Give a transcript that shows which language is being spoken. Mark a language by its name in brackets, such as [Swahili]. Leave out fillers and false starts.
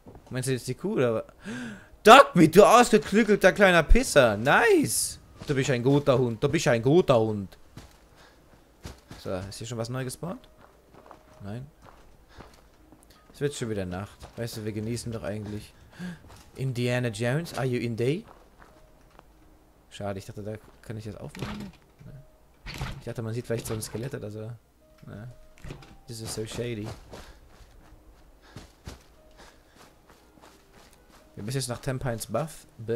[German] Meinst du jetzt die Kuh oder was? Dogmeat, du ausgeklügelter kleiner Pisser! Nice! Du bist ein guter Hund, du bist ein guter Hund! So, ist hier schon was neu gespawnt? Nein? Es wird schon wieder Nacht. Weißt du, wir genießen doch eigentlich. [English] Indiana Jones, are you in day? [German] Schade, ich dachte, da kann ich das aufmachen. Ich dachte, man sieht vielleicht so ein Skelett oder so. [English] This is so shady. [German] Wir müssen jetzt nach Tempines Buff.